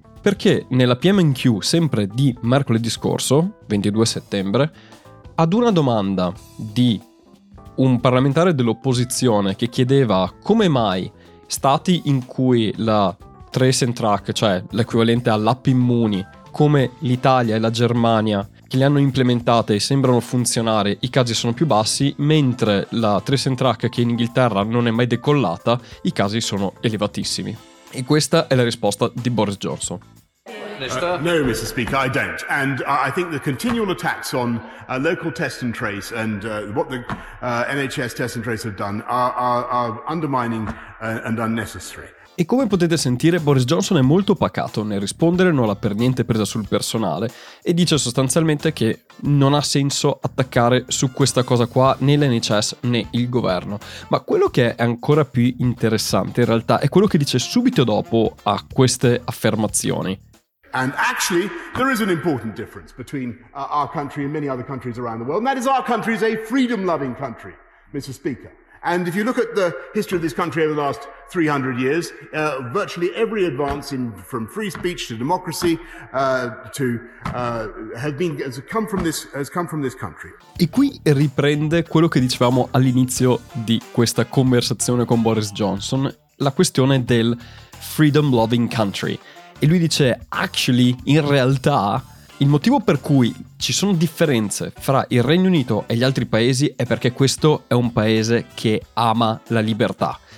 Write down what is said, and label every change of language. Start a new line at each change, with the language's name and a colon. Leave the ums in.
Italian: Perché nella PMQ, sempre di mercoledì scorso, 22 settembre, ad una domanda di un parlamentare dell'opposizione che chiedeva come mai stati in cui la Trace and Track, cioè l'equivalente all'app immuni, come l'Italia e la Germania, che le hanno implementate e sembrano funzionare, i casi sono più bassi, mentre la Trace and Track, che in Inghilterra non è mai decollata, i casi sono elevatissimi. E questa è la risposta di Boris Johnson.
English: Uh, no, Mr. Speaker, I don't. And uh, I think the continual attacks on uh, local test and trace and uh, the, uh NHS test and trace have done are, are undermining uh, and unnecessary.
Italian: E come potete sentire, Boris Johnson è molto pacato nel rispondere, non l'ha per niente presa sul personale e dice sostanzialmente che non ha senso attaccare su questa cosa qua né l'NHS né il governo. Ma quello che è ancora più interessante in realtà è quello che dice subito dopo a queste affermazioni.
English: And actually, there is an important difference between uh, our country and many other countries around the world, and that is our country is a freedom loving country, Mr. Speaker. And if you look at the history of this country over the last 300 years, uh, virtually every advance in, from free speech to democracy uh, to, been, has, come from this, has come from this country.
Italian: E qui riprende quello che dicevamo all'inizio di questa conversazione con Boris Johnson, la questione del freedom loving country. e lui dice actually in realtà il motivo per cui ci sono differenze fra il Regno Unito e gli altri paesi è perché questo è un paese che ama la libertà.